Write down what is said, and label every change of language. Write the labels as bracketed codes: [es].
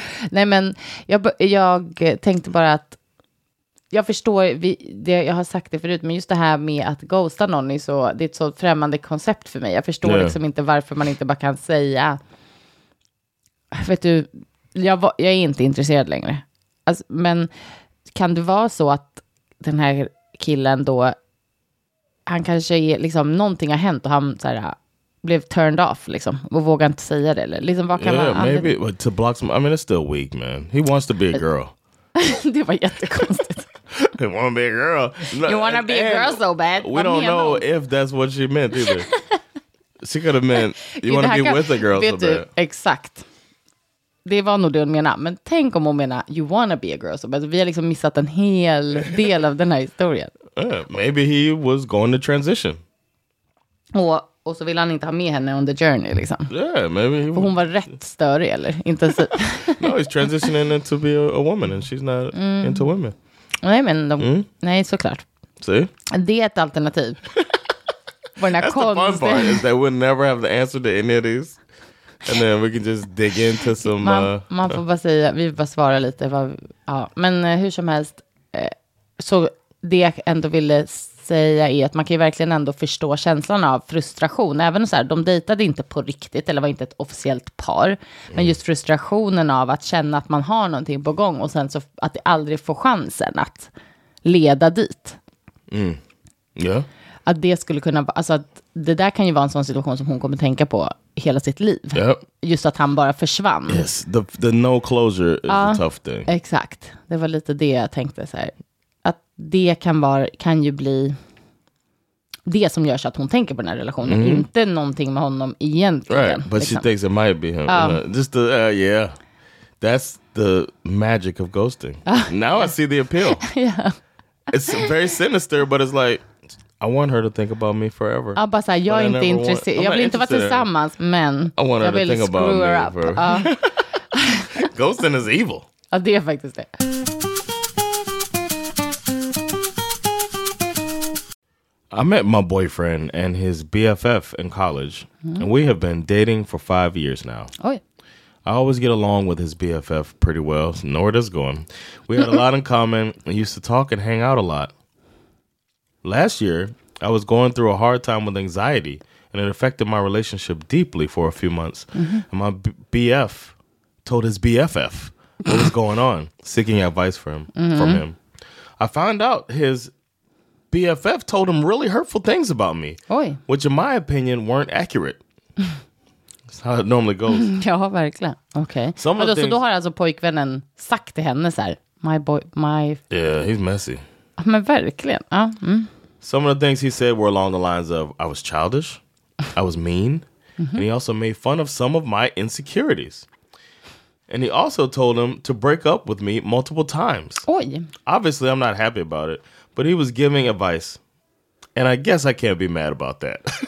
[sv] Nej, men jag tänkte bara att jag förstår, jag har sagt det förut, men just det här med att ghosta någon det är ett så främmande koncept för mig. Jag förstår liksom inte varför man inte bara kan säga, vet du, jag är inte intresserad längre. Alltså, men kan det vara så att den här killen då han kanske liksom någonting har hänt och han så här blev [en] turned off [sv] liksom och vågar inte säga det eller liksom vad kan [en] yeah, [sv] han [en] maybe but to block some, I mean it's still weak man. He wants to be a girl. [sv] Det var jättekonstigt. [en] He want to be a girl. You want to be a girl so bad. We don't know if that's what she meant either. She could have meant you want to be with a girl so bad. [sv] Exakt. Det var nog det hon menar, men tänk om hon menar [en] you want to be a girl so bad. [sv] Vi har liksom missat en hel del av den här historien. [en] Maybe he was going to transition. [sv] Och så vill han inte ha med henne [en] on the journey [sv] liksom. [en] Yeah, maybe he [sv] hon var rätt störig eller intensiv. [en] No, he's transitioning into be a woman and she's not into women. [sv] Nej, men de, nej, såklart. [en] See? [sv] Det är ett alternativ. [en] That's the fun part, is that we'll never have the answer to any of these. And then we can just dig into some... [sv] Man får bara säga, vi får bara svara lite. Ja, men hur som helst, så det jag ändå ville säga är att man kan ju verkligen ändå förstå känslan av frustration. Även så här, de dejtade inte på riktigt, eller var inte ett officiellt par. Men just frustrationen av att känna att man har någonting på gång och sen så att det aldrig får chansen att leda dit. Ja. Yeah. Att det skulle kunna vara, alltså att det där kan ju vara en sån situation som hon kommer tänka på hela sitt liv. [en] Yep. [sv] Just att han bara försvann. [en] Yes, the no closure is a tough thing. [sv] Exakt, det var lite det jag tänkte så här. Att det kan vara, kan ju bli det som gör så att hon tänker på den här relationen. Mm-hmm. Inte någonting med honom egentligen. [en] Right, but liksom. She thinks it might be him. Just the, yeah. That's the magic of ghosting. Now I see the appeal. Yeah. It's very sinister, but it's like, I want her to think about me forever. [sv] Ja, bara så här, jag är inte intresserad. Jag vill inte vara tillsammans, men [en] I want her [sv] jag vill [en] to think about screw her me up. For... Ghosting is evil. [sv] Ja, det är faktiskt det. [en] I met my boyfriend and his BFF in college, and we have been dating for 5 years now. Oh, yeah. I always get along with his BFF pretty well, so nor does going. We had a lot in common and used to talk and hang out a lot. Last year, I was going through a hard time with anxiety, and it affected my relationship deeply for a few months. Mm-hmm. And my BF told his BFF what was going on, seeking advice from him. I found out his BFF told him really hurtful things about me, oy, which in my opinion weren't accurate. That's how it normally goes. [sv] Ja, verkligen. Okay. Så då har alltså pojkvännen sagt till henne så här, my... [en] Yeah, he's messy. [sv] Men verkligen, ja. [en] Some of the things he said were along the lines of, I was childish, I was mean, and he also made fun of some of my insecurities. And he also told him to break up with me multiple times. Oy. Obviously, I'm not happy about it, but he was giving advice, and I guess I can't be mad about that.